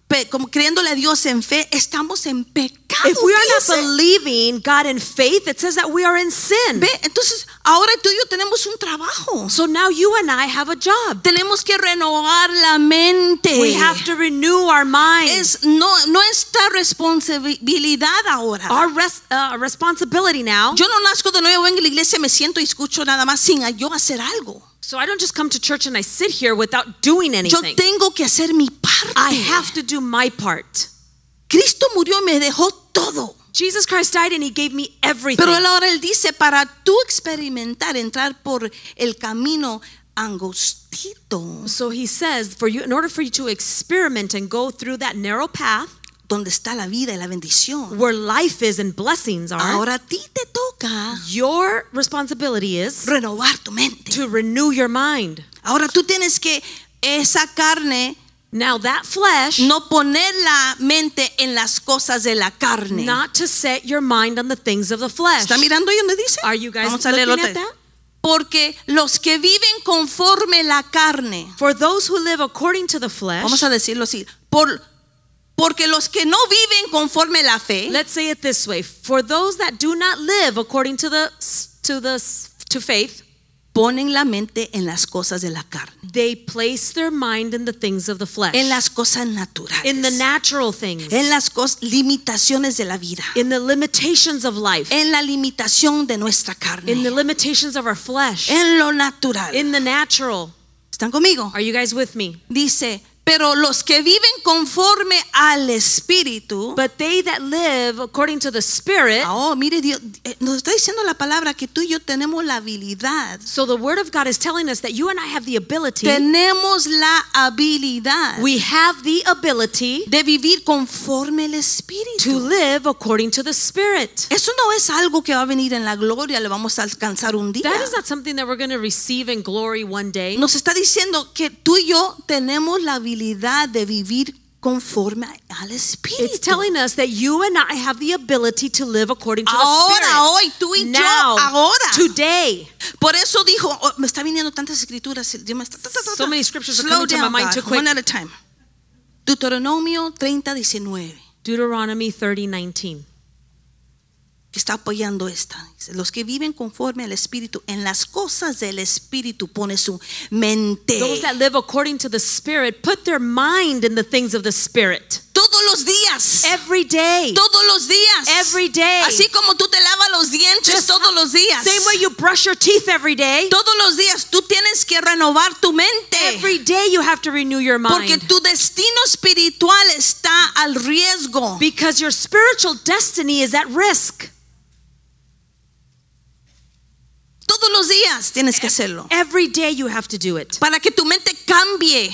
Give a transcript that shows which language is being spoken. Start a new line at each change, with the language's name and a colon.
Spanish: como creyéndole a Dios en fe, estamos en pecado.
English: If we are not believing God in faith, it says that we are in sin.
Spanish: Ve, entonces ahora tú y yo tenemos un trabajo.
English: So now you and I have a job.
Spanish: Tenemos que renovar la mente.
English: We have to renew our mind.
Spanish: Es nuestra responsabilidad ahora.
English: Our responsibility now.
Spanish: Yo no nazco de nuevo, vengo a la iglesia, me siento y escucho nada más sin yo hacer algo.
English: So I don't just come to church and I sit here without doing anything.
Spanish: Yo tengo que hacer mi parte.
English: I have to do my part.
Spanish: Cristo murió y me dejó todo.
English: Jesus Christ died and he gave me everything.
Spanish: Pero ahora él dice, para tú experimentar, entrar por el camino angostito.
English: So he says, for you, in order for you to experiment and go through that narrow path,
Spanish: donde está la vida y la bendición,
English: where life is and blessings are,
Spanish: ahora a ti te toca,
English: your responsibility is
Spanish: renovar tu mente,
English: to renew your mind.
Spanish: Ahora tú tienes que esa carne,
English: now that flesh,
Spanish: no poner la mente en las cosas de la carne,
English: not to set your mind on the things of the flesh.
Spanish: ¿Está mirando ahí donde dice?
English: Are you guys looking at that?
Spanish: Porque los que viven conforme la carne,
English: for those who live according to the flesh,
Spanish: vamos a decirlo así, porque los que no viven conforme la fe,
English: let's say it this way, for those that do not live according to the faith,
Spanish: ponen la mente en las cosas de la carne.
English: They place their mind in the things of the flesh.
Spanish: En las cosas naturales.
English: In the natural things.
Spanish: En las limitaciones de la vida.
English: In the limitations of life.
Spanish: En la limitación de nuestra carne.
English: In the limitations of our flesh.
Spanish: En lo natural.
English: In the natural.
Spanish: ¿Están conmigo?
English: Are you guys with me?
Spanish: Dice, pero los que viven conforme al Espíritu,
English: but they that live according to the Spirit,
Spanish: oh, mire Dios, nos está diciendo la palabra que tú y yo tenemos la habilidad.
English: So the word of God is telling us that you and I have the ability.
Spanish: Tenemos la habilidad.
English: We have the ability
Spanish: de vivir conforme al Espíritu.
English: To live according to the Spirit.
Spanish: Eso no es algo que va a venir en la gloria, lo vamos a alcanzar un día.
English: That is not something that we're going to receive in glory one day.
Spanish: Nos está diciendo que tú y yo tenemos la habilidad de vivir conforme al Espíritu.
English: It's telling us that you and I have the ability to live according to
Spanish: ahora,
English: the Spirit.
Spanish: Ahora, hoy, tú y now, yo, ahora.
English: Today.
Spanish: Por eso dijo, oh, me está viniendo tantas escrituras.
English: So many scriptures slow are coming down, to my mind God, too quick. One at a time. Deuteronomio 30:19. Deuteronomy 30:19.
Spanish: Está apoyando esta. Los que viven conforme al Espíritu, en las cosas del Espíritu pone su mente.
English: Those that live according to the Spirit put their mind in the things of the Spirit.
Spanish: Todos los días.
English: Every day.
Spanish: Todos los días.
English: Every day.
Spanish: Así como tú te lavas los dientes just todos los días.
English: Same way you brush your teeth every day.
Spanish: Todos los días tú tienes que renovar tu mente.
English: Every day you have to renew your mind.
Spanish: Porque tu destino espiritual está al riesgo.
English: Because your spiritual destiny is at risk.
Spanish: Todos los días tienes que hacerlo.
English: Every day you have to do it.
Spanish: Para que tu mente cambie.